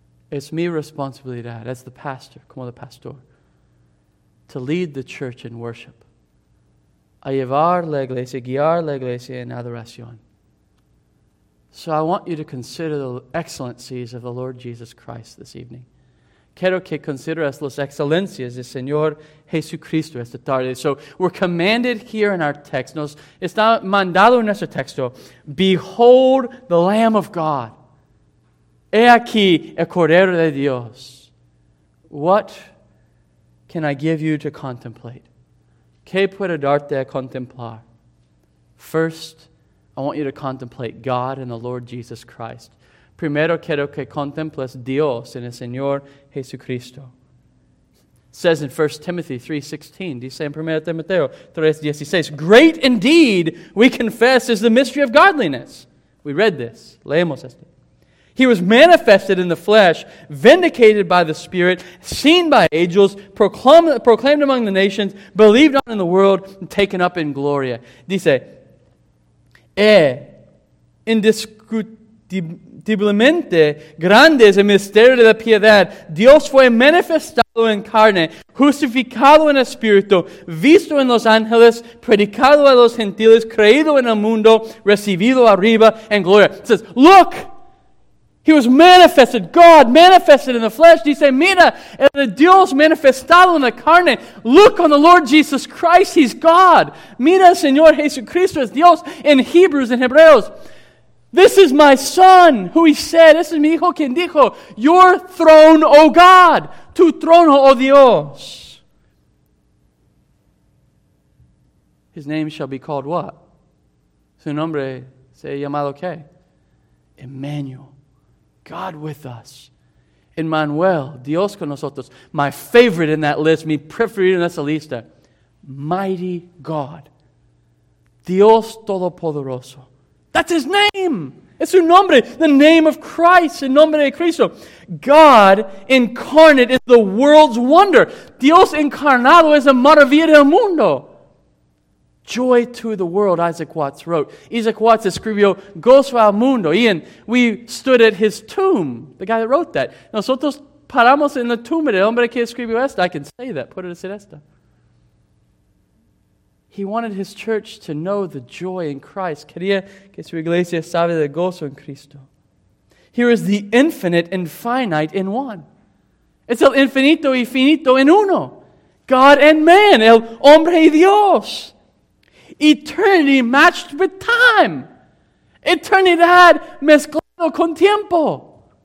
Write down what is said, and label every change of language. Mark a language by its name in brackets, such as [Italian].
[English] It's [Spanish] mi responsabilidad [English] as the pastor, [Spanish] como el pastor, [English] to lead the church in worship. [Spanish] A llevar la iglesia, guiar la iglesia en adoración. [English] So I want you to consider the excellencies of the Lord Jesus Christ this evening. [Spanish] Quiero que consideres las excelencias del Señor Jesucristo esta tarde. [English] So we're commanded here in our text, [Spanish] nos está mandado en nuestro texto, [English] behold the Lamb of God. [Spanish] He aquí el Cordero de Dios. [English] What can I give you to contemplate? [Spanish] ¿Qué puedo darte a contemplar? [English] First, I want you to contemplate God and the Lord Jesus Christ. [Spanish] Primero, quiero que contemples Dios en el Señor Jesucristo. [English] It says in 1 Timothy 3:16, [Spanish] dice en 1 Timoteo 3:16, [English] great indeed, we confess, is the mystery of godliness. We read this. [Spanish] Leemos esto. [English] He was manifested in the flesh, vindicated by the Spirit, seen by angels, proclaimed among the nations, believed on in the world, and taken up in glory. [Spanish] Dice, indiscutiblemente grande es el misterio de la piedad. Dios fue manifestado en carne, justificado en espíritu, visto en los ángeles, predicado a los gentiles, creído en el mundo, recibido arriba en gloria. [English] It says, look! He was manifested, God manifested in the flesh. [Spanish] Dice, mira, el Dios manifestado en la carne. [English] Look on the Lord Jesus Christ, he's God. [Spanish] Mira, Señor Jesucristo es Dios. [English] In Hebrews and Hebreos, this is my son, who he said, this is [Spanish] mi hijo quien dijo, [English] your throne, O God, [Spanish] tu trono, O Dios. [English] His name shall be called what? [Spanish] Su nombre se llamado qué? [English] Emmanuel. God with us. [Spanish] Emmanuel, Dios con nosotros. [English] My favorite in that list, [Spanish] mi preferido en esa lista. [English] Mighty God. [Spanish] Dios Todopoderoso. [English] That's his name. [Spanish] Es su nombre. [English] The name of Christ. [Spanish] El nombre de Cristo. [English] God incarnate is the world's wonder. [Spanish] Dios encarnado es la maravilla del mundo. [English] Joy to the world, Isaac Watts wrote. [Spanish] Isaac Watts escribió, gozo al mundo. [English] Ian, we stood at his tomb, the guy that wrote that. [Spanish] Nosotros paramos en la tumba del hombre que escribió esto. [English] I can say that, put it as esta. He wanted his church to know the joy in Christ. [Spanish] Quería que su iglesia sabe el gozo en Cristo. [English] Here is the infinite and finite in one. It's [Spanish] el infinito y finito en uno. [English] God and man, [Spanish] el hombre y Dios. [English] Eternity matched with time. [Spanish] Eternidad mezclado con tiempo.